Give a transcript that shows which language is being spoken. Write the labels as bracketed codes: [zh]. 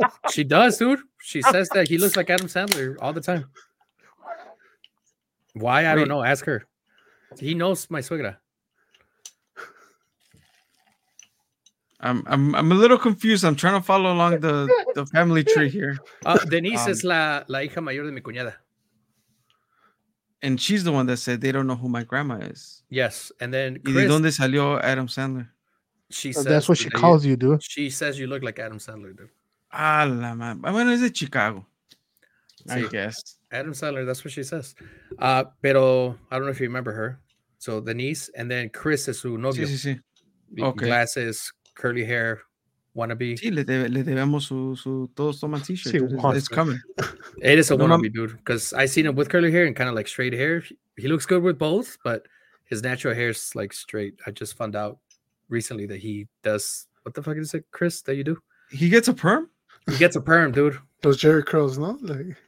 [en] She does, dude. She says that he looks like Adam Sandler all the time. Why? Wait. I don't know. Ask her. He knows my suegra. I'm a little confused. I'm trying to follow along the family tree here. [es] Denise is la hija mayor de mi cuñada. [en] And she's the one that said they don't know who my grandma is. Yes. And then [es] Chris, ¿y dónde salió Adam Sandler? [en] She says that's what she calls you, dude. She says you look like Adam Sandler, dude. [es] Ah, la man. Bueno, es de Chicago. [en] So, I guess. Adam Sandler, that's what she says. Pero I don't know if you remember her. So Denise, and then Chris is [es] su novio. Sí. [en] Okay. Glasses, curly hair, wannabe. [es] Sí, le debemos su todos toman t-shirt. [en] Sí, it's coming. It is a wannabe, dude, because I seen him with curly hair and kind of like straight hair. He looks good with both, but his natural hair is like straight. I just found out recently that he does, what the fuck is it, Chris, that you do? He gets a perm, dude. Those Jerry curls, no? Like,